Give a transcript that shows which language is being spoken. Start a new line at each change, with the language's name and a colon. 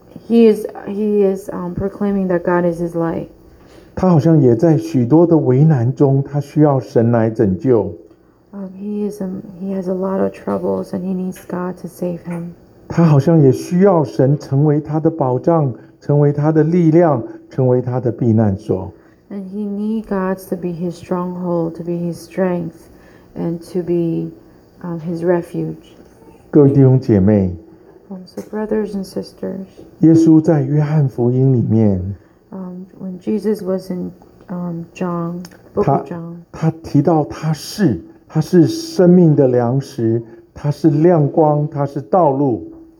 English: He is proclaiming that God is his light.
Chinese: 他好像也在许多的危难中，他需要神来拯救。
English: He has a lot of troubles and he needs God to save him.
Chinese: 他好像也需要神成为他的保障，成为他的力量，成为他的避难所。
English: And he needs God to be his stronghold, to be his strength, and to be his refuge.
Chinese: 各位弟兄姐妹。
English: So brothers and sisters,
Chinese: 耶稣在约翰福音里面
English: when Jesus was in John, book of John,
Chinese: 他提到他是生命的粮食，他是亮光，他是道路。